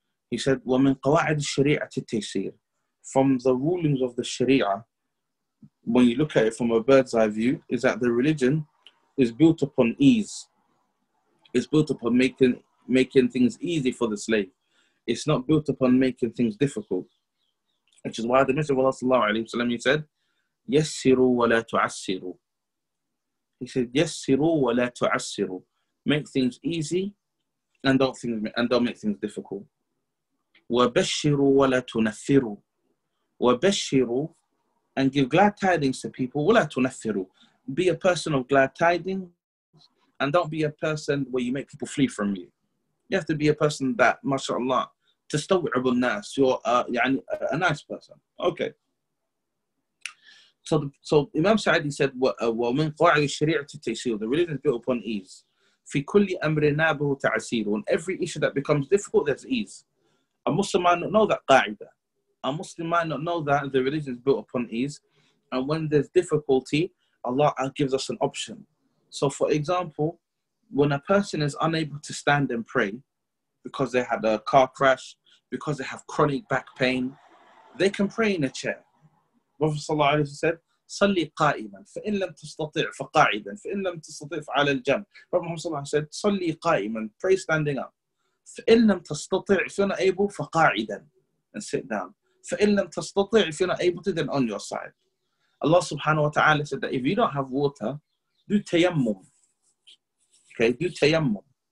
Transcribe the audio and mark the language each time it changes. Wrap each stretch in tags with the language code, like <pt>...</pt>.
<en>He said,</en> <ar>وَمِنْ قَوَاعِدِ الشَّرِيعَةِ تَيْسِيرُ,</ar> <en>from the rulings of the Sharia, when you look at it from a bird's eye view, is that the religion is built upon ease. It's built upon making things easy for the slave. It's not built upon making things difficult. Which is why the Messenger of Allah sallallahu alayhi wa sallam, he said,</en> <ar>يَسِّرُوا وَلَا تُعَسِّرُوا.</ar> <en>He said,</en> <ar>يَسِّرُوا وَلَا تُعَسِّرُوا.</ar> <en>Make things easy and don't make things difficult.</en> <ar>وَبَشِّرُوا وَلَا تُنَفِّرُوا. وَبَشِّرُوا,</ar> <en>and give glad tidings to people.</en> <ar>وَلَا تُنَفِّرُوا.</ar> <en>Be a person of glad tidings, and don't be a person where you make people flee from you. You have to be a person that, mashallah,</en> <ar>تَسْتَوْعِبُ النَّاسِ,</ar> <en>you're a nice person. Okay. So Imam Sa'di said,</en> <ar>وَمِنْ قَوَعِدِ الشَّرِيعَةِ تَيْسِيرُ,</ar> <en>the religion is built upon ease.</en> <ar>فِي كُلِّ أَمْرِ نَابُهُ تَعَسِيرُ,</ar> <en>on every issue that becomes difficult, there's ease. A Muslim might not know that qa'idah. A Muslim might not know that the religion is built upon ease. And when there's difficulty, Allah gives us an option. So for example, when a person is unable to stand and pray because they had a car crash, because they have chronic back pain, they can pray in a chair. Prophet sallallahu alayhi wa sallam said,</en> <ar>صلي قائما فإن لم تستطع فقاعدا فإن لم تستطع فعلى الجنب.</ar> <en>Prophet Muhammad sallallahu alayhi wa sallam said,</en> <ar>صلي قائما,</ar> <en>pray standing up.</en> <ar>فإن لم تستطع,</ar> <en>if you're not able,</en> <ar>فقاعدا,</ar> <en>and sit down.</en> <ar>فإن لم تستطع,</ar> <en>if you're not able to, then on your side. Allah subhanahu wa ta'ala said that if you don't have water, do tayammum. Okay, do tayammum.</en>